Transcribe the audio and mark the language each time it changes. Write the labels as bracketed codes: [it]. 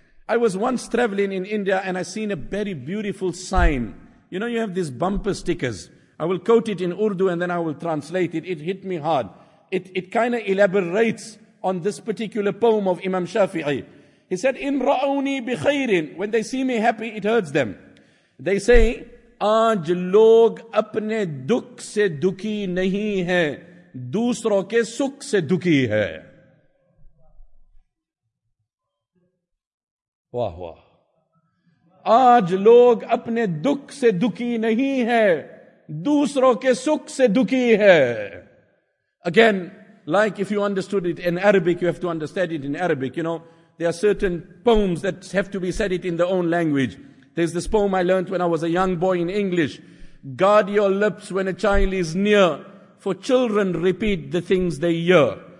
[en] I was once traveling in India and I seen a very beautiful sign. You know, you have these bumper stickers. I will quote it in Urdu and then I will translate it. It hit me hard. It kind of elaborates on this particular poem of Imam Shafi'i. He said, [ar] إِنْ رَأَوْنِي بِخَيْرٍ, [en] when they see me happy, it hurts them. They say, [ur] آج لوگ اپنے دکھ سے دکھی نہیں ہیں, دوسروں کے سکھ سے دکھی ہیں. واہ واہ. آج لوگ اپنے دکھ سے دکھی نہیں ہیں, دوسروں کے سکھ سے دکھی ہیں. [en] Again, like if you understood it in Arabic, you have to understand it in Arabic. You know, there are certain poems that have to be said it in their own language. There's this poem I learned when I was a young boy in English. Guard your lips when a child is near, for children repeat the things they hear.